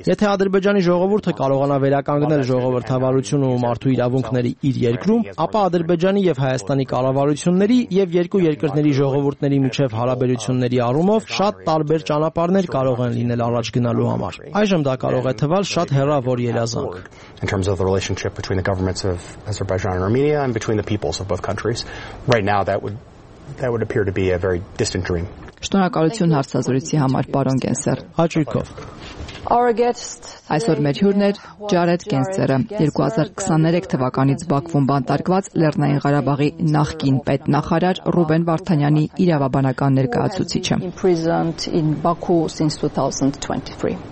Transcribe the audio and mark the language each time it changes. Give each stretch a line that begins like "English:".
Armenian: Եթե ադրբեջանի ժողովուրդը կարողանա վերականգնել ժողովրդավարությունը ու մարդու իրավունքների իր երկրում, ապա ադրբեջանի եւ հայաստանի կառավարությունների եւ երկու երկրների ժողովուրդների միջև հարաբերությունների առումով շատ տարբեր ճանապարհներ կարող են լինել առաջ գնալու համար։ Այժմ դա կարող է թվալ շատ հեռավոր երազանք։
English: In terms of the relationship between the governments of Azerbaijan and Armenia and between the peoples of both countries, right now that would appear to be a very distant dream.
Armenian: Շնորհակալություն հարցազրույցի համար, պարոն Գենսեր։ Հաճույքով։
English: Our guest
Armenian: այսօր մեր հյուրն է Ջարեդ Գենսերը, 2023 թվականից Բաքվում բանտարկված Լեռնային Ղարաբաղի նախկին պետնախարար Ռուբեն Վարդանյանի իրավաբանական ներկայացուցիչը։